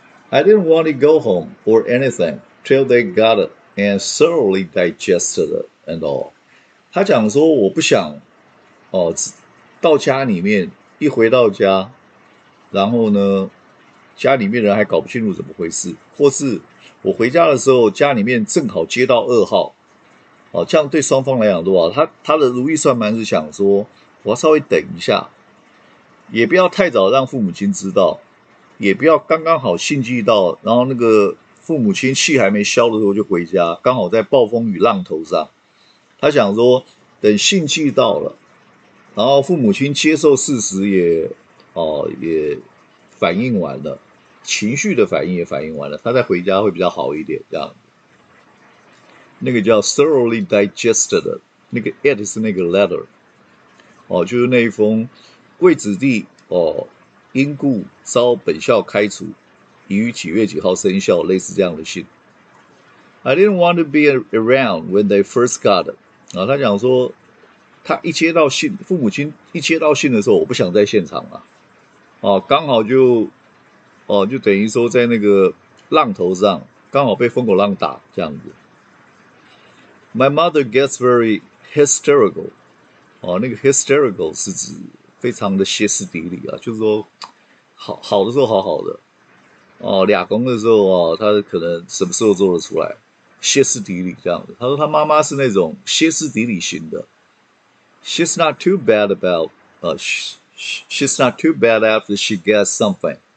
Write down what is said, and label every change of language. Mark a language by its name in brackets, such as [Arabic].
[English] I didn't want to go home or anything till they got it and thoroughly digested it and all。 [Chinese] 他讲说我不想到家里面一回到家然后呢家里面人还搞不清楚怎么回事，或是我回家的时候家里面正好接到噩耗这样对双方来讲的话，他的如意算盘是想说我要稍微等一下，也不要太早让父母亲知道，也不要刚刚好信寄到然后那个父母亲气还没消的时候就回家，刚好在暴风雨浪头上。他想说等信寄到了然后父母亲接受事实也反应完了，情绪的反应也反应完了，他再回家会比较好一点这样。那个叫 thoroughly digested 的那个 it 是那个 letter 就是那一封贵子弟因故遭本校开除已于几月几号生效，类似这样的信。 [English] I didn't want to be around when they first got it。 [Chinese] 他讲说他一接到信，父母亲一接到信的时候我不想在现场了。刚好就等于说在那个浪头上刚好被风口浪打这样子。 [English] My mother gets very hysterical。 [Chinese] 那个 hysterical 是指非常的歇斯底里就是说好的时候好好的。俩公的时候他可能什么时候做得出来。歇斯底里这样子，他说他妈妈是那种歇斯底里型的。 [English] She's not too bad about, she's not too bad after she gets something.